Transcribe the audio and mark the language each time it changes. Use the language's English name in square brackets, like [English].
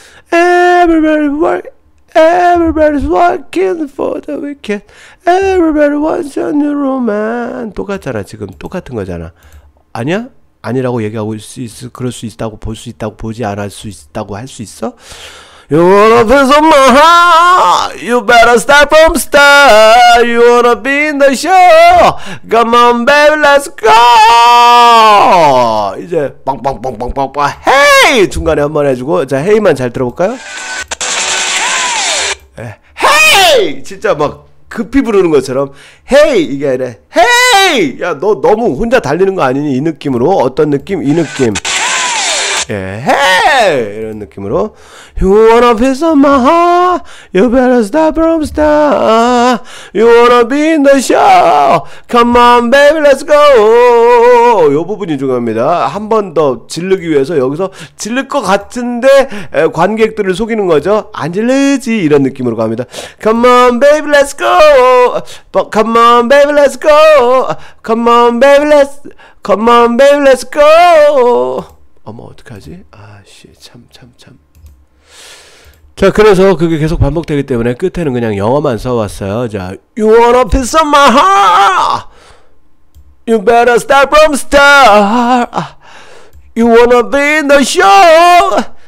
[English] Everybody's working for the weekend. Everybody wants a new romance. [Korean] 똑같잖아. 지금 똑같은 거잖아. 아니야? 아니라고 얘기하고 있을 수 있어. 그럴 수 있다고 볼 수 있다고 보지 않을 수 있다고 할 수 있어? [English] You wanna piece of my heart. You better start from start. You wanna be in the show. Come on, baby, let's go. [Korean] 이제 빵빵빵빵빵빵. Hey, 중간에 한번 해주고 자 Hey만 잘 들어볼까요? Hey, 진짜 막 급히 부르는 것처럼 Hey 이게 아니라 Hey. 야, 너 너무 혼자 달리는 거 아니니? 이 느낌으로 어떤 느낌? 이 느낌. 예, hey! 이런 느낌으로 [English] You wanna piece of my heart. You better stop from start. You wanna be in the show. Come on baby let's go. [Korean] 요 부분이 중요합니다. 한 번 더 질르기 위해서 여기서 질를 것 같은데 관객들을 속이는 거죠. 안 질르지 이런 느낌으로 갑니다. [English] Come on baby let's go. Come on baby let's go. Come on baby let's Come on baby let's go. [Korean] 어머 어떡하지? 아씨 참. 자 그래서 그게 계속 반복되기 때문에 끝에는 그냥 영어만 써왔어요. [English] 자 You wanna piece of my heart. You better start from start. You wanna be in the show.